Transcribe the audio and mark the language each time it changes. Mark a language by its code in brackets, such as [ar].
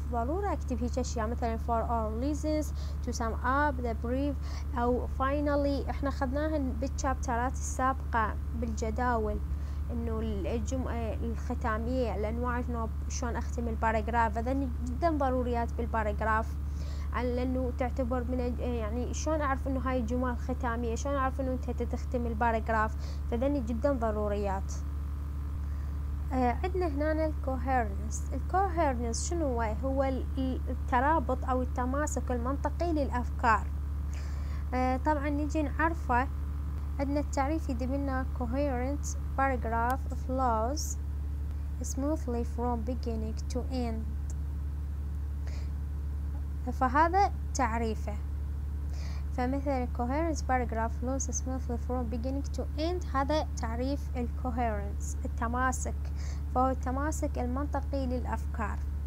[ar] ضرورة اكتب هيك اشياء مثلا [en] for all reasons، to sum up، the brief، [ar] او finally، احنا اخذناهن بالشابترات السابقة بالجداول، انه الختامية الانواع شلون اختم الباراجراف، هذا جدا ضروريات بالباراجراف، لانه تعتبر من يعني شلون اعرف انه هاي الجمل ختامية، شلون اعرف انه انت تختم الباراجراف، فذني جدا ضروريات. عندنا هنا الكوهيرنس. الكوهيرنس شنو هو؟ هو الترابط او التماسك المنطقي للافكار. طبعا نجي نعرفه، عندنا التعريف يدمنا [en] coherent paragraph flows smoothly from beginning to end. [ar] فهذا تعريفه. فمثلا [en] coherence paragraph flows smoothly from beginning to end، [ar] هذا تعريف الكوهيرنس، التماسك، فهو التماسك المنطقي للأفكار.